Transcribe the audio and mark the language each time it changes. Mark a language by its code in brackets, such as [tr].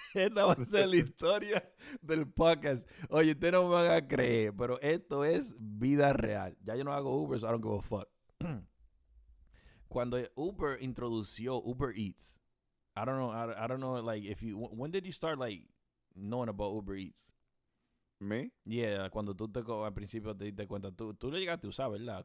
[es] Oye, ustedes no me van a creer, pero esto es vida real. Ya yo no hago Uber, [en] so I don't give a fuck. [es] Cuando Uber introdució Uber Eats, [en] I don't know, like, if you, when did you start, like, knowing about Uber Eats? ¿Me? [es] Yeah, cuando tú al principio te diste cuenta, tú le llegaste a usar, ¿verdad?